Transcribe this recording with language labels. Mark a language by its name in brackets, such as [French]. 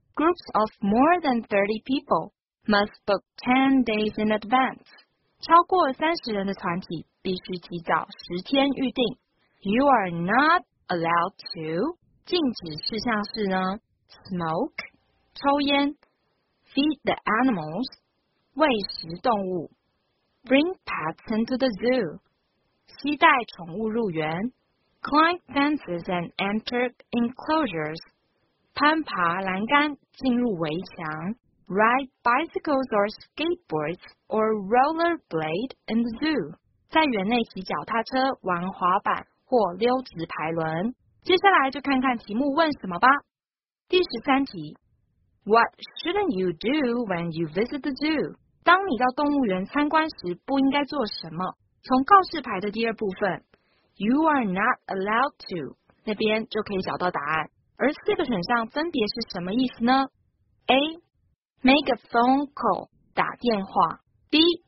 [English] Groups of more than 30 people must book 10 days in advance. [Chinese] 超过30人的团体必须提早10天预定。 [English] You are not allowed to. 禁止事项是呢 ,smoke, 抽烟 ,feed the animals, 喂食动物 ,bring pets into the zoo. 期待宠物入园。 Climb fences and enter enclosures. 攀爬栏杆进入围墙。 Ride bicycles or skateboards or rollerblade in the zoo. [Chinese] 在园内骑脚踏车、玩滑板或溜直排轮。接下来就看看题目问什么吧。第十三题。 [English] What shouldn't you do when you visit the zoo? [Chinese] 当你到动物园参观时不应该做什么？从告示牌的第二部分 You are not allowed to 那边就可以找到答案。而四个选项分别是什么意思呢？ [English] A. Make a phone call 打电话。 B.